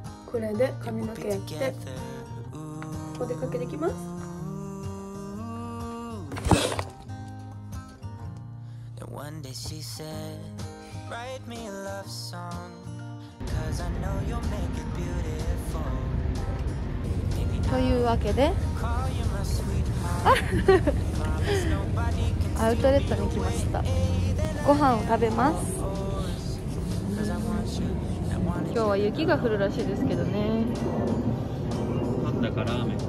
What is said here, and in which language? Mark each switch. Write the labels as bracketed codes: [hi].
[ja] これで髪の毛やって、お出かけできます。 [en] And one day she said, "Write me a love song." Cause I know you'll make it beautiful. [ja] というわけで、アウトレットに来ました。ご飯を食べます。今日は雪が降るらしいですけどね。パンダかラーメンか、